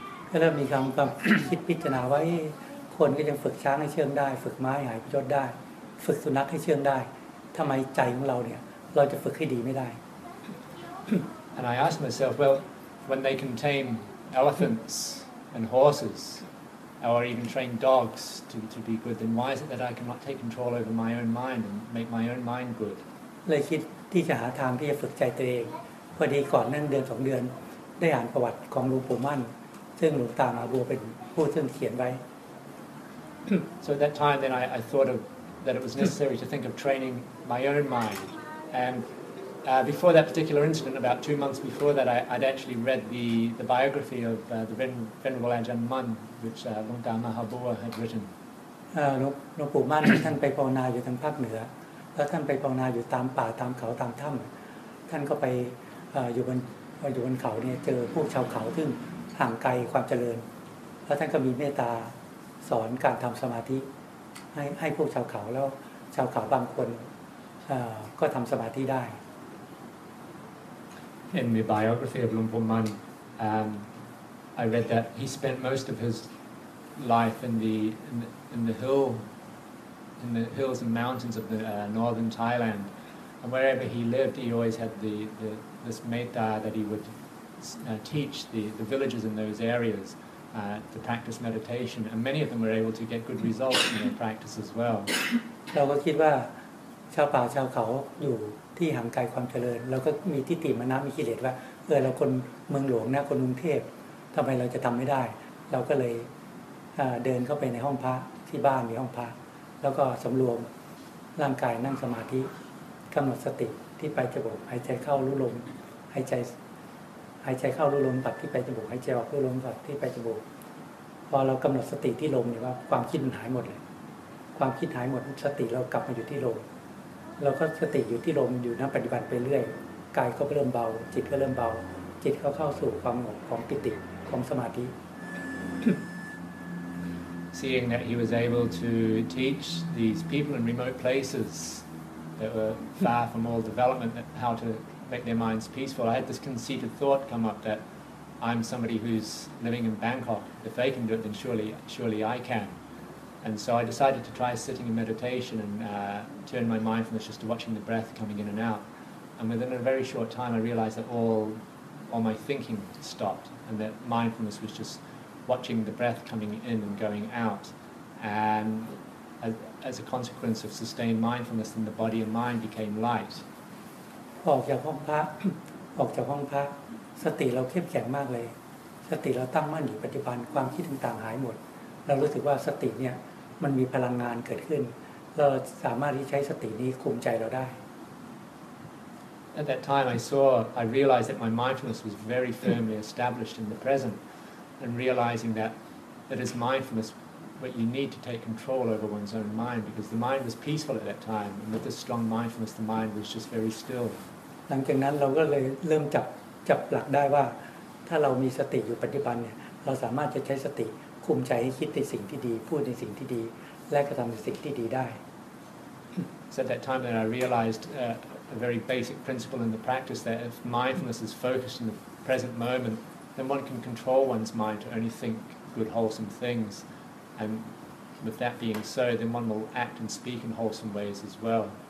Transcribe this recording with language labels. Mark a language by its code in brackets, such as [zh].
[th] ก็เริ่มมีความคิดพิจารณาว่าคนก็ยังฝึกช้างให้เชื่องได้ฝึกม้าให้หายพยศได้ฝึกสุนัขให้เชื่องได้ทำไมใจของเราเนี่ยเราจะฝึกให้ดีไม่ได้ [en] And I asked myself, well, when they can tame elephants and horses, or even train dogs to be good, then why is it that I cannot take control over my own mind and make my own mind good? [th] เลยคิดที่จะหาทางที่จะฝึกใจตัวเองพอดีก่อนนั่นเดือน2เดือนได้อ่านประวัติของหลวงปู่มั่นซึ่งหลวงตามหาบัวเป็นผู้ซึ่งเขียนไว้ [en] So at that time then I thought of that it was necessary to think of training my own mind and before that particular incident about 2 months before that I'd actually read the biography of the venerable Ajahn Mun which หลวงตามหาบัว had written [th] หลวงปู่มั่นท่านไปภาวนาอยู่ทางภาคเหนือแล้วท่านไปภาวนาอยู่ตามป่าตามเขาตามถ้ําท่านก็ไปอยู่บนเขาเนี่ยเจอพวกชาวเขาซึ่งห่างไกลความเจริญแล้วท่านก็มีเมตตาสอนการทำสมาธิให้พวกชาวเขาแล้วชาวเขาบางคนก็ทำสมาธิได้ [en] In the biography of Lung Pum Man I read that he spent most of his life in the hills and mountains of the northern Thailand and wherever he lived he always had this metta that he would teach the villagers in those areas to practice meditation and many of them were able to get good results in their practice as well [th] เราก็คิดว่าชาวป่าชาวเขาอยู่ที่ห่างไกลความเจริญเราก็มีทิฏฐิมานะมีกิเลสว่าเราคนเมืองหลวงนะคนกรุงเทพทำไมเราจะทำไม่ได้เราก็เลยเดินเข้าไปในห้องพระที่บ้านมีห้องพระแล้วก็สำรวมร่างกายนั่งสมาธิกำหนดสติที่ไปจมูกหายใจเข้ารู้ลมหาย ใจเข้ารู้ลมปัดที่ไปจมูกหายใจออกรู้ลมปัดที่ไปจมูกพอเรากำหนดสติที่ลมเนี่ยว่าความคิดมันหายหมดเลยความคิดหายหมดสติเรากลับมาอยู่ที่ลมเราก็สติอยู่ที่ลมอยู่นั่งปฏิบัติไปเรื่อยกายก็เริ่มเบาจิตก็เริ่มเบาจิตก็เข้าสู่ความสงบของปิติของสมาธิ [en] Seeing that he was able to teach these people in remote placesthat were far from all development, how to make their minds peaceful. I had this conceited thought come up that I'm somebody who's living in Bangkok. If they can do it, then surely I can. And so I decided to try sitting in meditation and turn my mindfulness just to watching the breath coming in and out. And within a very short time, I realized that all my thinking stopped and that mindfulness was just watching the breath coming in and going out. And as a consequence of sustained mindfulness in the body and mind became light [th] ออกจากห้องพระสติเราเข้มแข็งมากเลยสติเราตั้งมั่นอยู่ปัจจุบันความคิดต่างๆหายหมดเรารู้สึกว่าสติเนี่ยมันมีพลังงานเกิดขึ้นเราสามารถที่ใช้สตินี้คุมใจเราได้ [en] at that time I realized that my mindfulness was very firmly established in the present, and realizing that is mindfulness, but you need to take control over one's own mind, because the mind was peaceful at that time, and with this strong mindfulness the mind was just very still. [th] หลังจากนั้นเราก็เลยเริ่มจับหลักได้ว่าถ้าเรามีสติอยู่ปัจจุบันเนี่ยเราสามารถจะใช้สติคุมใจให้คิดในสิ่งที่ดีพูดในสิ่งที่ดีและกระทำในสิ่งที่ดีได้ [en] So at that time then I realized a very basic principle in the practice that if mindfulness is focused in the present moment, then one can control one's mind to only think good wholesome things, and with that being so, then one will act and speak in wholesome ways as well.